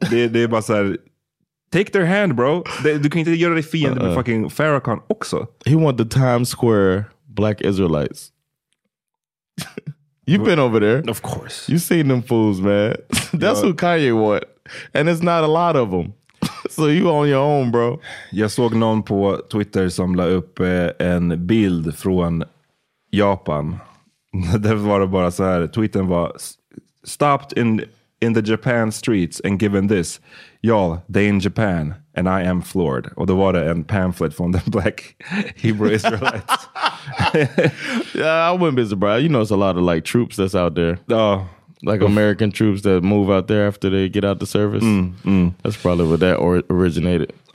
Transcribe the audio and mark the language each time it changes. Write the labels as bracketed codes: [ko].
[sv] Det är bara så här, [en] take their hand, bro. [sv] Du kan inte göra dig fiende med fucking Farrakhan också. [en] He want the Times Square black Israelites. You've been over there. Of course. You seen them fools, man. That's who Kanye want. And it's not a lot of them. So you on your own, bro. [sv] Jag såg någon på Twitter som la upp en bild från Japan. Det var bara så här. Tweeten var [en] stopped in the Japan streets and given this. Y'all, they in Japan and I am floored. [sv] Och då var det en pamphlet från the Black Hebrew Israelites. [en] Yeah, I wouldn't be surprised. You know, it's a lot of like troops that's out there. Oh. Like American troops that move out there after they get out the service. That's probably where that originated.